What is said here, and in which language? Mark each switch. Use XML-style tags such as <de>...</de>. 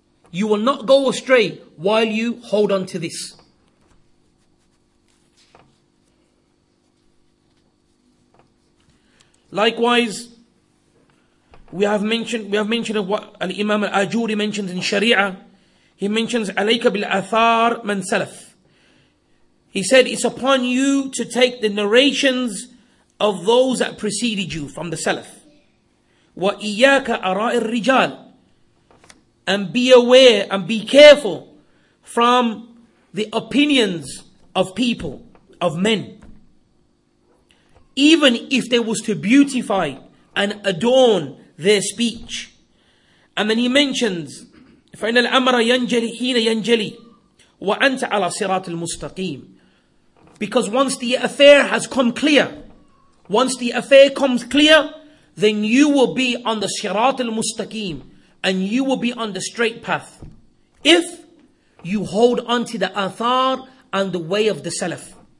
<en>You will not go astray while you hold on to this. Likewise, we have mentioned what Al-Imam Al-Ajuri mentions in Sharia. He mentions,</en> <ar>عَلَيْكَ بِالْأَثَارِ مَنْ سَلَفْ.</ar> <en>He said, it's upon you to take the narrations of those that preceded you from the Salaf.</en> <ar>وَإِيَّاكَ أَرَاءِ الرِّجَالِ.</ar> <en>And be aware and be careful from the opinions of people, of men. Even if they was to beautify and adorn their speech. And then he mentions,</en> <ar>فَإِنَّ الْأَمَرَ يَنْجَلِي حِينَ يَنْجَلِي وَأَنْتَ عَلَى صِرَاطِ الْمُسْتَقِيمِ.</ar> <en>Because once the affair has come clear, once the affair comes clear, then you will be on the Sirat al-Mustaqim and you will be on the straight path. If you hold on to the Athar and the way of the Salaf.</en>